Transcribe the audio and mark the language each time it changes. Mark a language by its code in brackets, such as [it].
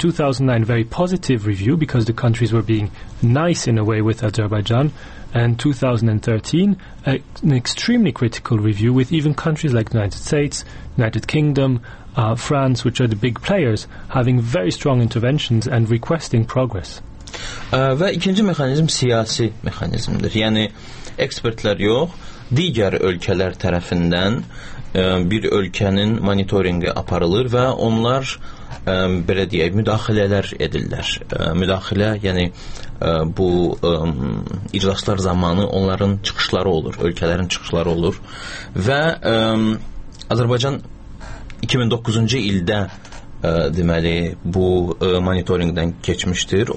[en] 2009, very positive review because the countries were being nice in a way with Azerbaijan, and 2013, an extremely critical review with even countries like the United States, United Kingdom, France, which are the big players, having very strong interventions and requesting progress. [az] Və ikinci mexanizm siyasi mexanizmdir. Yəni, ekspertlər yox, digər ölkələr tərəfindən bir ölkənin monitoringi aparılır və onlar belə deyək, müdaxilələr edirlər. Müdaxilə, yəni bu iclaslar zamanı onların çıxışları olur, ölkələrin çıxışları olur və Azərbaycan 2009-cu ildə deməli, bu monitoringdən keçmişdir.